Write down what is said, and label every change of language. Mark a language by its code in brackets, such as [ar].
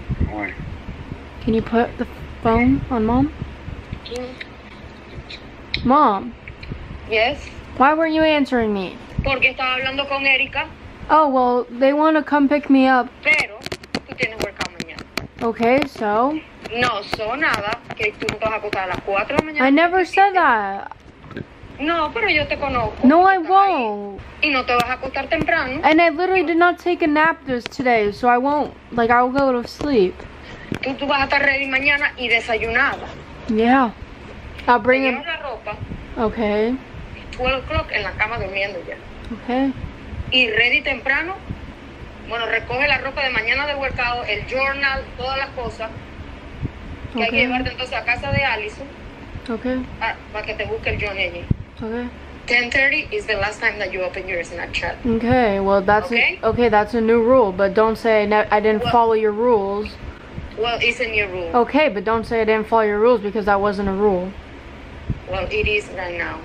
[en] Why? Can you put the phone on mom? Mom. Yes? Why weren't you answering me? [es] Porque estaba hablando con Erica. [en] Oh, well, they want to come pick me up. [es] Pero, tú tienes [en] work out [es] mañana. [en] Okay, so? [es] No, [en] so [es] nada, que tú no te vas a acostar a las 4 de la mañana. [en] I never said that. [es] No, pero yo te conozco. [en] No, I won't. [es] Y no te vas a acostar temprano. [en] And I literally did not take a nap this today, so I won't. Like, I will go to sleep. [es] Tú vas a estar [en] ready [es] mañana y desayunada. [en] Yeah. I'll bring him. [es] La ropa. [en] Okay. 12 o'clock [es] en la cama durmiendo ya. [en] Okay. [es] Y [en] ready [es] temprano. Bueno, recoge la ropa de mañana del [en] workout, [es] el [en] journal, [es] todas las cosas. Que okay. Hay que llevarte entonces a casa de Allison. [en] Okay. [es] Para que te busque el Johnny allí. [en] Okay. 10:30 is the last time that you open your Snapchat. Okay, well that's okay. Okay, that's a new rule, but don't say I didn't follow your rules. Well, it's a new rule. Okay, but don't say I didn't follow your rules because that wasn't a rule. Well, it is right now.